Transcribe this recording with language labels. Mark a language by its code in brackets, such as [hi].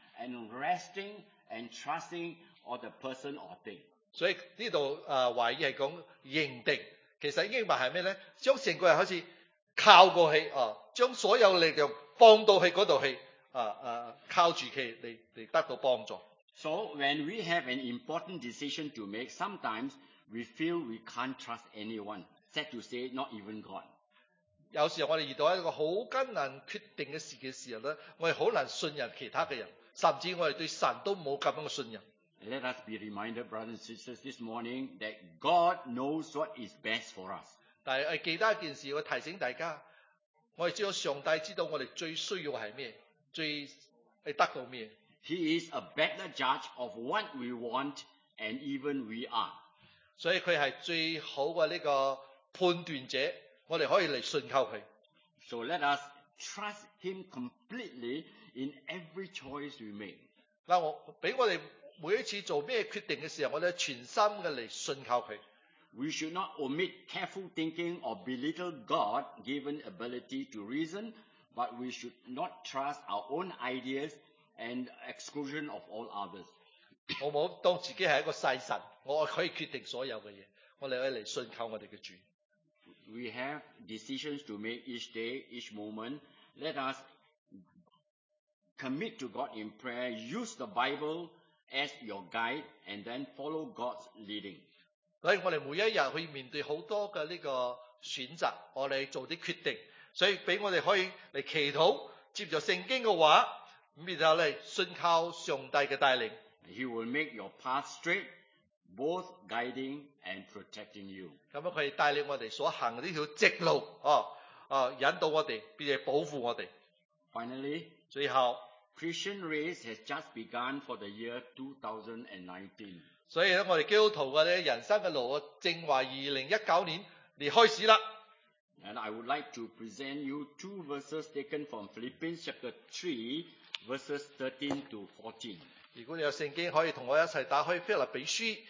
[en] and resting and trusting on the person or thing. [yue] 所以呢度懷疑係講認定，其實認定係咩咧？將成個人好似靠過去啊，將所有力量放到去嗰度去靠住佢嚟得到幫助。 [en] So when we have an important decision to make, sometimes we feel we can't trust anyone. Sad to say, not even God. [yue] 有時候我哋遇到一個好艱難決定嘅事嘅時候咧，我哋好難信任其他嘅人，甚至我哋對神都冇咁樣嘅信任。 [en] Let us be reminded, brothers and sisters, this morning that God knows what is best for us. [yue] 但係記得一件事，我提醒大家，我哋只有上帝知道我哋最需要係咩，最係得到咩。 [en] He is a better judge of what we want and even we are. [yue] 所以佢係最好嘅呢個判斷者，我哋可以嚟信靠佢。 [en] So let us trust him completely in every choice we make. [yue] 嗱，我俾我哋每一次做咩決定嘅時候，我哋全心嘅嚟信靠佢。 [en] We should not omit careful thinking or belittle God given ability to reason, but we should not trust our own ideas. And exclusion of all others. [yue] 好唔好？当自己系一个世神，我可以决定所有嘅嘢。我哋嚟信靠我哋嘅主。 [en] We have decisions to make each day, each moment. Let us commit to God in prayer. Use the Bible as your guide, and then follow God's leading. [yue] 所以我哋每一日去面对好多嘅呢个选择，我哋做啲决定。所以俾我哋可以嚟祈祷，接住圣经嘅话。然后咧，信靠上帝嘅带领。 [en] He will make your path straight, both guiding and protecting you. [yue] 咁样佢带领我哋所行呢条直路，引导我哋，并且保护我哋。 [en] Finally, [yue] 最后 [en] ，Christian race has just begun for the year 2019. [yue] 所以咧，我哋基督徒嘅人生嘅路正话2019年嚟开始啦。 [en] And I would like to present you two verses taken from Philippians chapter 3. Verses 13 to 14. [yue] 如果你有圣经，可以同我一起打开腓立比书，